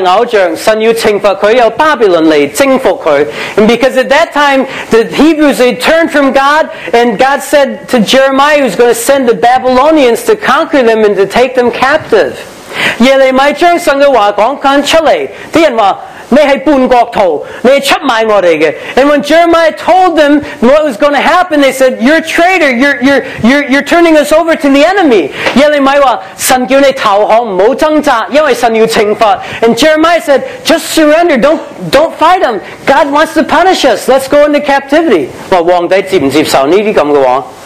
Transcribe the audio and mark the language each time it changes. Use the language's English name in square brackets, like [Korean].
[Cantonese] 因为耶利米当时以色列人就远离神拜偶像，神要惩罚佢，由巴比伦嚟征服佢。 [English] And because at that time the Hebrews, they turned from God, and God said to Jeremiah, he was going to send the Babylonians to conquer them and to take them captive. [Cantonese] 耶利米将神的话讲出来，啲人话你系叛国徒，你系出卖我哋嘅。 [English] And when Jeremiah told them what was going to happen, they said, "You're a traitor. You're turning us over to the enemy." [Cantonese] 耶利米话神叫你投降，唔好挣扎，因为神要惩罚。 [English] And Jeremiah said, "Just surrender. Don't fight them. God wants to punish us. Let's go into captivity." [Cantonese] 话皇帝接唔接受呢啲咁嘅话？